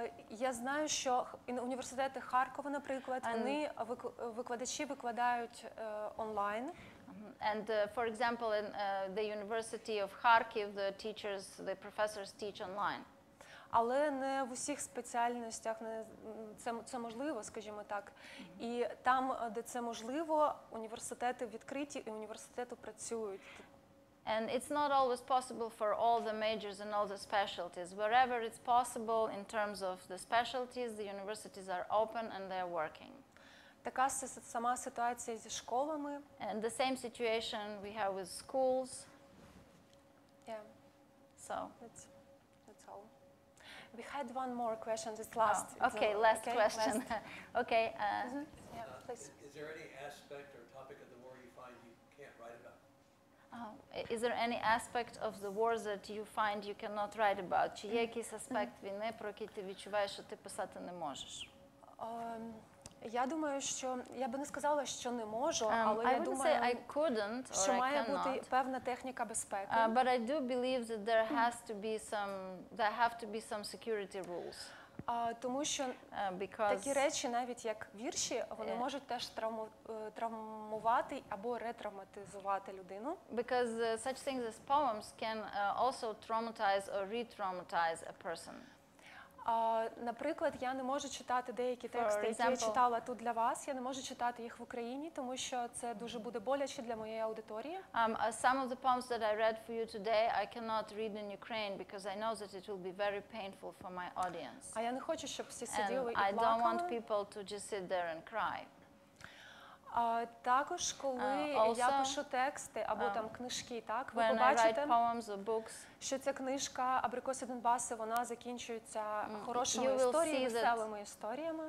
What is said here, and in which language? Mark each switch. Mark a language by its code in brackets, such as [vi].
[uk] Я знаю, що університети Харкова, наприклад, вони викладачі викладають онлайн. [en] And for example, in the University of Kharkiv, the teachers, the professors teach online. [uk] Але не в усіх спеціальностях, це можливо, скажімо так. І там, де це можливо, університети відкриті і університети працюють. [en] And it's not always possible for all the majors and all the specialties. Wherever it's possible in terms of the specialties, the universities are open and they're working. [uk] Така сама ситуація зі школами. [en] And the same situation we have with schools. Yeah. So. That's all. We had one more question. It's last. Oh, okay, it's last question. Last. Okay. Is there any aspect or topic of the war you find you can't write about? Is there any aspect of the war that you find you cannot write about? [uk] Чи є якийсь аспект війни, про який ти відчуваєш, що ти писати не можеш? Я думаю, що я би не сказала, що не можу, але я думаю, що має бути певна техніка безпеки. [en] But I do believe that there has to be some there have to be some security rules. [uk] Тому що такі речі, навіть як вірші, вони можуть теж травмувати або ретравматизувати людину. [en] Because such things as poems can also traumatize or re-traumatize a person. [uk] Наприклад, я не можу читати деякі тексти, які я читала тут для вас. Я не можу читати їх в Україні, тому що це дуже буде боляче для моєї аудиторії. [en] Some of the poems that I read for you today, I cannot read in Ukraine because I know that it will be very painful for my audience. [uk] А я не хочу, щоб всі сиділи і плакали. [en] And I don't want people to just sit there and cry. [uk] Також, коли я пишу тексти або там книжки, так, ви [en] when [uk] побачите, [en] I write poems or books, [uk] що ця книжка «Априкоси Донбасу», вона закінчується хорошими історіями, веселими історіями.